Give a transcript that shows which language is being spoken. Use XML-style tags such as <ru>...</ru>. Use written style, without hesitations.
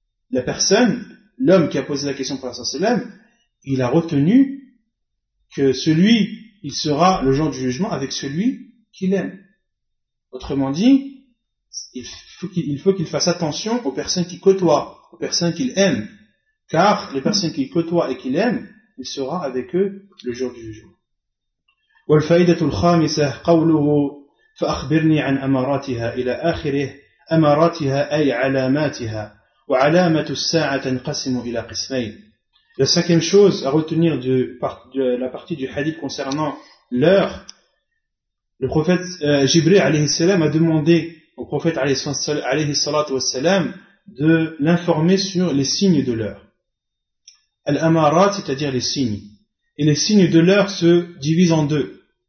<fr>La personne, l'homme qui a posé la question au prophète sallallahu alayhi wa sallam, il a retenu que celui, il sera le jour du jugement avec celui qu'il aime. Autrement dit, il faut qu'il fasse attention aux personnes qu'il côtoie, aux personnes qu'il aime. Car les personnes qu'il côtoie et qu'il aime, il sera avec eux le jour du jugement.</fr> <ar>والفائدة الخامسة قوله فأخبرني عن أماراتها إلى آخره أماراتها أي علاماتها وعلامة الساعة تنقسم إلى قسمين.</ar> <fr>La cinquième chose à retenir de la partie du hadith concernant l'heure, le prophète Jibril عليه السلام a demandé au prophète عليه الصلاة والسلام de l'informer sur les signes de l'heure. Al-amarat, c'est-à-dire les signes. Et les signes de l'heure se divisent en deux.</fr>